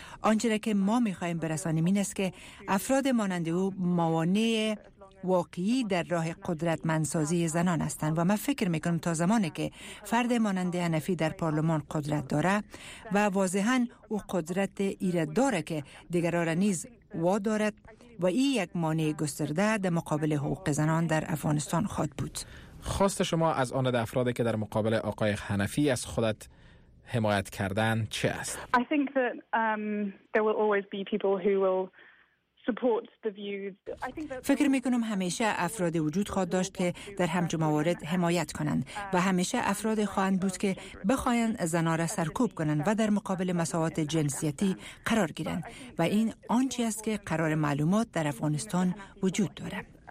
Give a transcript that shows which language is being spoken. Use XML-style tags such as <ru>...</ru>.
<fa>آنچه که ما می خواهیم برسانیم این است که افراد مانند او موانع واقعی در راه قدرتمندسازی زنان هستند و من فکر می کنم تا زمانی که فرد مانند عنفی در پارلمان قدرت داره و واضحاً او قدرت ایراد داره که دیگران را نیز وادارد و این یک مانع گسترده در مقابل حقوق زنان در افغانستان خواهد بود. خواست شما از آن افرادی که در مقابل آقای حنفی از خودت حمایت کردن چه است؟</fa> <en>I think that there will always be people who will support the views.</en> <fa>فکر میکنم همیشه افراد وجود خواهد داشت که در همچون موارد حمایت کنند و همیشه افراد خواهند بود که بخواین زنان را سرکوب کنند و در مقابل مساوات جنسیتی قرار گیرند و این آنچی است که قرار معلومات در افغانستان وجود دارد.</fa>